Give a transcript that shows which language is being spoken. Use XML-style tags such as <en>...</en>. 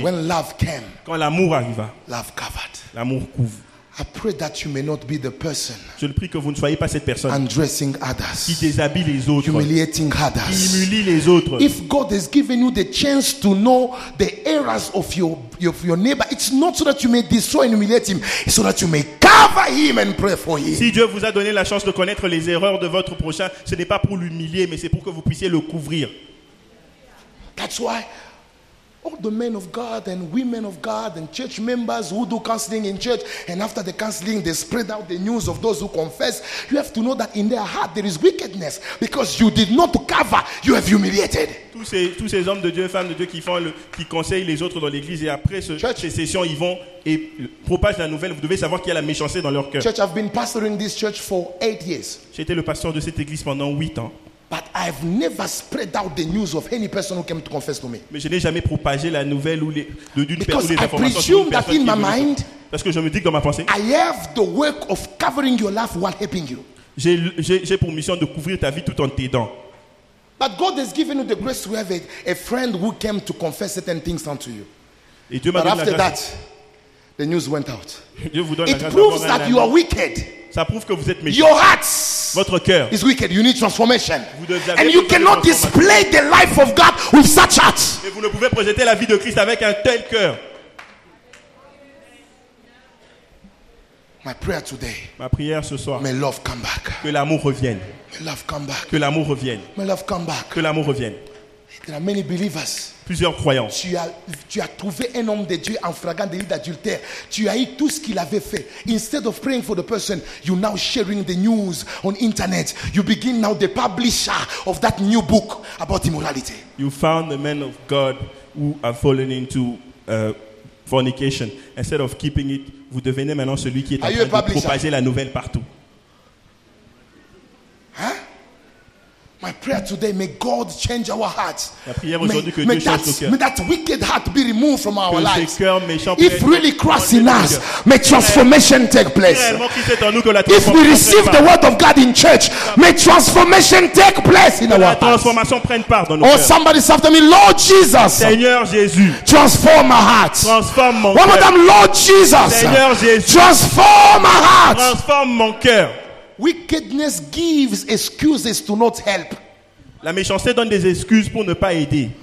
<en>When love came.</en> <fr>Quand l'amour arriva.</fr> <en>Love covered.</en> <fr>L'amour couvre.</fr> <en>I pray that you may not be the person.</en> <fr>Je le prie que vous ne soyez pas cette personne.</fr> <en>Undressing others.</en> <fr>Qui déshabille les autres.</fr> <en>Humiliating others.</en> <fr>Qui humilie les autres.</fr> <en>If God has given you the chance to know the errors of your neighbor, it's not so that you may destroy and humiliate him, it's so that you may cover him and pray for him.</en> <fr>Si Dieu vous a donné la chance de connaître les erreurs de votre prochain, ce n'est pas pour l'humilier, mais c'est pour que vous puissiez le couvrir.</fr> <en>That's why all the men of God and women of God and church members who do counseling in church and after the counseling they spread out the news of those who confess, you have to know that in their heart there is wickedness because you did not cover, you have humiliated.</en> <fr>Tous ces hommes de Dieu, femmes de Dieu qui conseillent les autres dans l'église et après ces sessions, ils vont et propagent la nouvelle. Vous devez savoir qu'il y a la méchanceté dans leur cœur.</fr> <en>Church, I've been pastoring this church for 8 years.</en> <fr>J'étais le pasteur de cette église pendant 8 ans.</fr> <en>But I've never spread out the news of any person who came to confess to me.</en> <fr>Mais je n'ai jamais propagé la nouvelle ou les de d'une</fr> <en>Because</en> <fr>personne.</fr> <en>Because I presume that in my mind.</en> <fr>Parce que je me dis que dans ma pensée.</fr> <en>I have the work of covering your life while helping you.</en> <fr>J'ai pour mission de couvrir ta vie tout en t'aidant.</fr> <en>But God has given you the grace to have a friend who came to confess certain things unto you.</en> <fr>Et Dieu m'a</fr> <en>but</en> <fr>donné</fr> <en>after</en> <fr>la grâce.</fr> <en>That, the news went out.</en> <fr>Dieu vous donne</fr> <en>It proves that you are wicked.</en> <fr>Ça prouve que vous êtes méchant.</fr> <en>Your heart</en> <fr>Votre cœur</fr> <en>is wicked. You need transformation.</en> <fr>Vous devez</fr> <en>And you cannot display the life of God with such heart.</en> <fr>Et vous ne pouvez projeter la vie de Christ avec un tel cœur.</fr> <en>My prayer today.</en> <fr>Ma prière ce soir.</fr> <en>May love come back.</en> <fr>Que l'amour revienne.</fr> <en>May love come back.</en> <fr>Que l'amour revienne.</fr> <en>May love come back.</en> <fr>Que l'amour revienne.</fr> <en>There are many believers.</en> <fr>Plusieurs croyants. Tu as trouvé un homme de Dieu en flagrant délit d'adultère. Tu as eu tout ce qu'il avait fait.</fr> <en>Instead of praying for the person, you now sharing the news on internet. You begin now the publisher of that new book about immorality. You found the man of God who have fallen into fornication. Instead of keeping it,</en> <fr>vous devenez maintenant celui qui est en train de propager la nouvelle partout. Hein?</fr> <en>My prayer today, may God change our hearts. May that wicked heart be removed from our lives. If really Christ in us, may transformation take place. If we receive the word of God in church, may transformation take place in our hearts. Oh, somebody say after me, Lord Jesus,</en> <fr>Seigneur Jésus,</fr> <en>transform my heart.</en> <fr>Transforme mon cœur.</fr> <en>One more time, Lord Jesus,</en> <fr>Seigneur Jésus,</fr> <en>transform my heart.</en> <fr>Transforme mon cœur.</fr> <en>Wickedness gives excuses to not help.</en> <fr>La méchanceté donne des excuses pour ne pas aider.</fr>